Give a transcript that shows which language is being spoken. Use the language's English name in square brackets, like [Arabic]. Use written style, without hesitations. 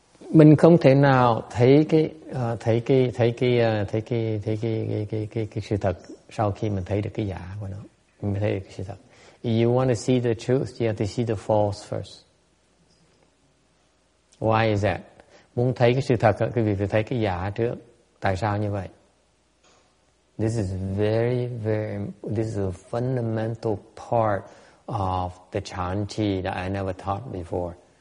[Vietnamese] Mình không thể nào thấy cái sự thật sau khi mình thấy được cái giả của nó. Mình thấy được cái sự thật. [English] If you want to see the truth, you have to see the false first. Why is that? [Vietnamese] Muốn thấy cái sự thật, quý vị phải thấy cái giả trước. Tại sao như vậy? [English] This is very, very, this is a fundamental part of the Chan Chi that I never taught before.